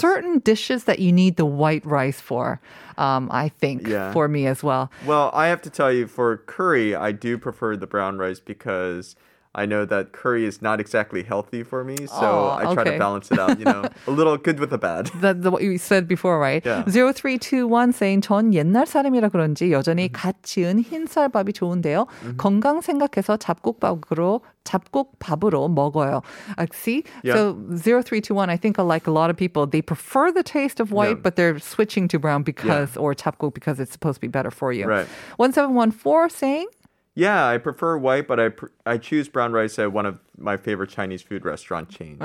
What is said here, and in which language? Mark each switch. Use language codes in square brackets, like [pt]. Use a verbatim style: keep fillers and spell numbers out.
[en] certain dishes that you need the white rice for, um, I think, Yeah. for me as well. Well, I have to tell you, for curry, I do prefer the brown rice because I know that curry is not exactly healthy for me, so I try okay. to balance it out, you know, a little good with a bad. That's the, what you said before, right? Yeah. zero three two one saying, [ko] 전 옛날 사람이라 그런지 여전히 갓 지은 흰쌀밥이 좋은데요. 건강 생각해서 잡곡밥으로, 잡곡밥으로 먹어요. [en] Uh, see? Yeah. So zero three two one, I think uh, like a lot of people, they prefer the taste of white, Yeah. but they're switching to brown because, or 잡곡 because it's supposed to be better for you. Right. one seven one four saying, Yeah, I prefer white, but I pr- I choose brown rice at one of my favorite Chinese food restaurant chains.